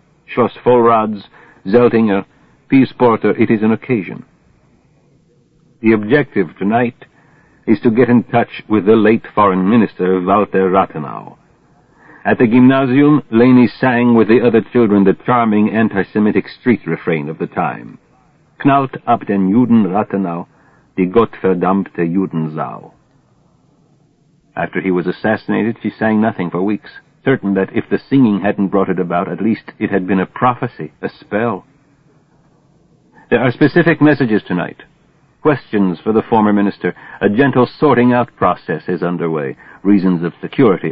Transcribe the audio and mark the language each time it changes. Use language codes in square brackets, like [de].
[en] Schloss Vollrads, Zeltinger, Peace Porter, it is an occasion. The objective tonight is to get in touch with the late foreign minister, Walter Rathenau. At the gymnasium, Lainey sang with the other children the charming anti-Semitic street refrain of the time. [de] Knallt ab den Juden Rathenau, die gottverdammte Judensau. [en] After he was assassinated, she sang nothing for weeks, certain that if the singing hadn't brought it about, at least it had been a prophecy, a spell. There are specific messages tonight. Questions for the former minister. A gentle sorting-out process is underway. Reasons of security.